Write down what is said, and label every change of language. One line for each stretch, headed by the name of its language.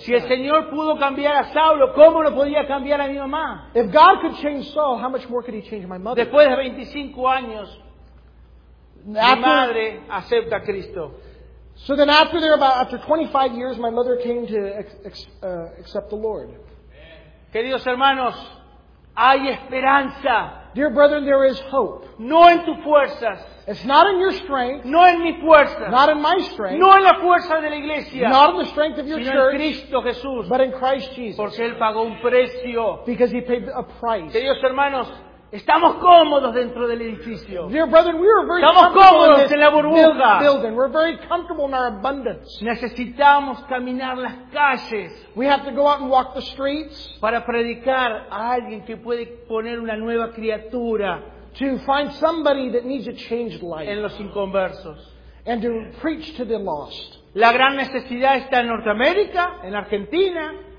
English: sad.
Spanish: Si el Señor pudo cambiar a Saulo, ¿cómo lo podía cambiar a mi mamá?
English: If God could change Saul, how much more could he change my mother?
Spanish: Después de 25 años, mi madre acepta a Cristo.
English: So then after 25 years, my mother came to accept the Lord.
Spanish: Queridos hermanos, hay esperanza.
English: Dear brethren, there is hope.
Spanish: No en tus fuerzas.
English: It's not in your strength.
Spanish: No en mi fuerza.
English: Not in my strength.
Spanish: No en la fuerza de la iglesia.
English: Not in the strength of your
Spanish: sino
English: church.
Spanish: Sino en Cristo Jesús.
English: But in Christ Jesus.
Spanish: Porque Él pagó un precio.
English: Because He paid a price.
Spanish: Queridos hermanos, estamos cómodos dentro del edificio.
English: Dear brethren, we are very
Spanish: estamos
English: comfortable
Spanish: cómodos en la burbuja.
English: Building. We're very comfortable in our abundance.
Spanish: Necesitamos caminar las calles.
English: We have to go out and walk the streets.
Spanish: Para predicar a alguien que puede poner una nueva criatura.
English: To find somebody that needs a changed life.
Spanish: En los inconversos.
English: And to preach to the lost.
Spanish: La gran necesidad está en Norteamérica, en Argentina.